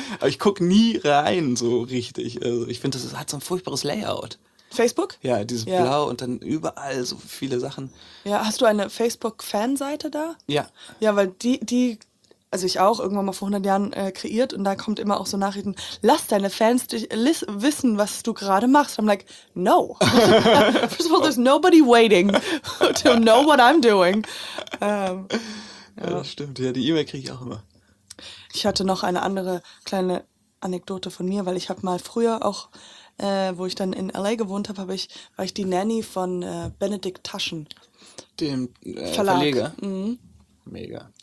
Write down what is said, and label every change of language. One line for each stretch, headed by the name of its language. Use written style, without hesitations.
German: Aber ich gucke nie rein so richtig. Also ich finde, das hat so ein furchtbares Layout. Facebook? Ja, dieses Blau und dann überall so viele Sachen. Ja, hast du eine Facebook-Fanseite da? Ja. Ja, weil die also ich auch, irgendwann mal vor 100 Jahren kreiert und da kommt immer auch so Nachrichten, lass deine Fans wissen, was du gerade machst.
English: I'm like, no. First of all, there's nobody waiting to know what I'm doing.
German: Ja, das stimmt. Ja, die E-Mail kriege ich auch immer. Ich hatte noch eine andere kleine Anekdote von mir, weil ich habe mal früher auch wo ich dann in L.A. gewohnt habe, war ich die Nanny von Benedikt Taschen. Dem Verlag. Verleger? Mhm. Mega.